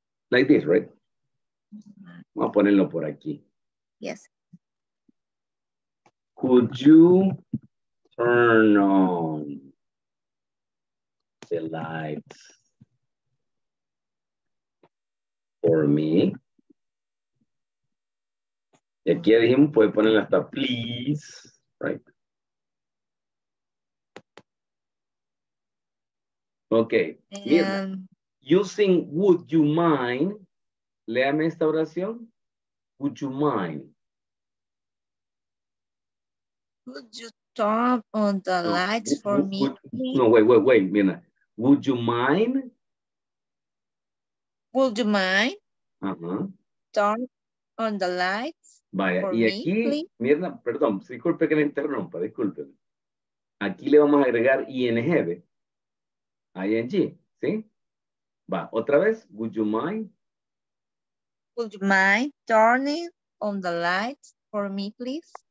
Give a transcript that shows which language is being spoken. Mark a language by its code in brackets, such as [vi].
[en] Like this, right? [es] Vamos a ponerlo por aquí. [en] Yes. Could you turn on the lights for me? [es] Y aquí dijimos, puede ponerle hasta [en] please, right? Okay. Using would you mind, [es] léame esta oración. [en] Would you mind? Would you turn on the lights for me? Wait, Mina. Would you mind? Would you mind? Uh-huh. Turn on the lights. [es] Vaya, y aquí, Mirna, perdón, disculpe que me interrumpa, discúlpeme. Aquí le vamos a agregar ING, ING, ¿sí? [en] Va, [es] otra vez, [en] would you mind? Would you mind turning on the lights for me, please?